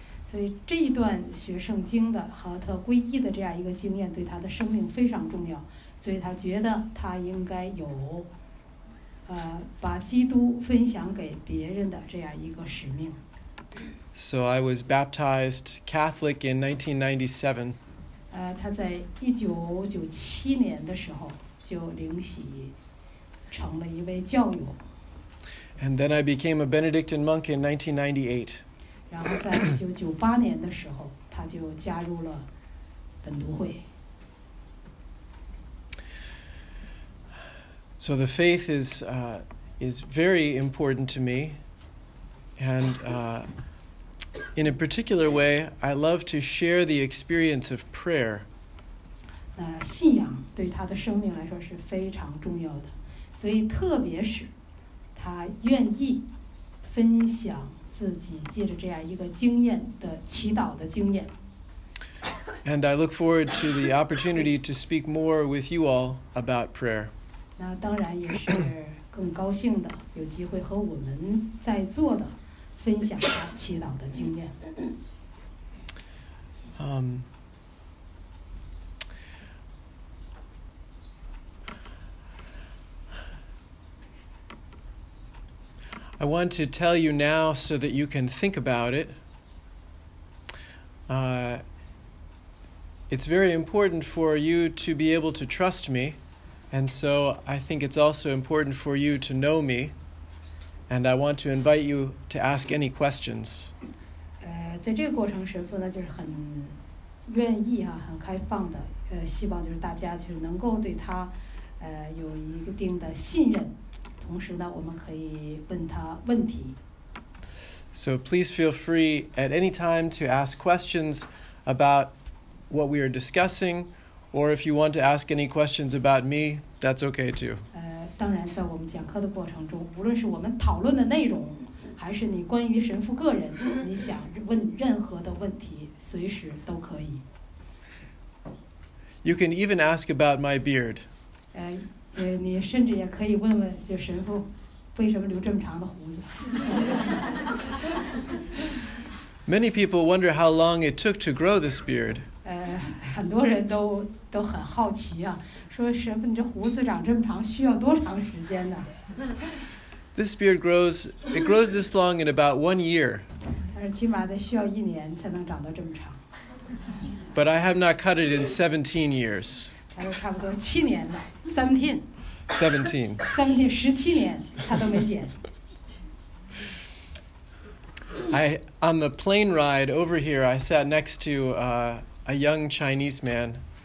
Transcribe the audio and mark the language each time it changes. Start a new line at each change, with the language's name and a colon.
Chinese: 所以这一段学圣经的和他皈依的这样一个经验对他的生命非常重要，所以他觉得他应该有，把基督分享给别人的这样一个使命。
English: So I was baptized Catholic in 1997.
Chinese: 他在1997年的时候就领洗成了一位教友。
English: And then I became a Benedictine monk in 1998.
Chinese: 然后在1998年的时候他就加入了本笃会。
English: So the faith is very important to me. In a particular way, I love to share the experience of prayer.
Chinese: 信仰对他的生命来说是非常重要的，所以特别是他愿意分享自己借着这样一个经验的祈祷的经验。
English: And I look forward to the opportunity to speak more with you all about prayer.
Chinese: 那当然也是更高兴的，有机会和我们在座的分享他祈祷的经验。
English: I want to tell you now so that you can think about it. It's very important for you to be able to trust me, and so I think it's also important for you to know me. And I want to invite you to ask any questions.
Chinese: 在这个过程，神父呢就是很愿意啊，很开放的，希望就是大家就是能够对他，有一定的信任。同时呢，我们可以问他问题。
English: So please feel free at any time to ask questions about what we are discussing, or if you want to ask any questions about me, that's okay too.
Chinese: 当然，在我们讲课的过程中，无论是我们讨论的内容，还是你关于神父个人，你想问任何的问题，随时都可以。
English: You can even ask about my beard.
Chinese: 你甚至也可以问问，就神父为什么留这么长的胡子。
English: Many people wonder how long it took to grow this beard.
Chinese: 很多人都很好奇啊。说神父，你这胡子长这么长，需要多长时间呢
English: ？This beard grows. It grows this long in about 1 year.
Chinese: 但是起码得需要一年才能长到这么长。
English: But I have not cut it in 17 years.
Chinese: 还有差不多七年了 ，17. 17. 17，17年，他都没剪。
English: I on the plane ride over here, I sat next to a young Chinese man.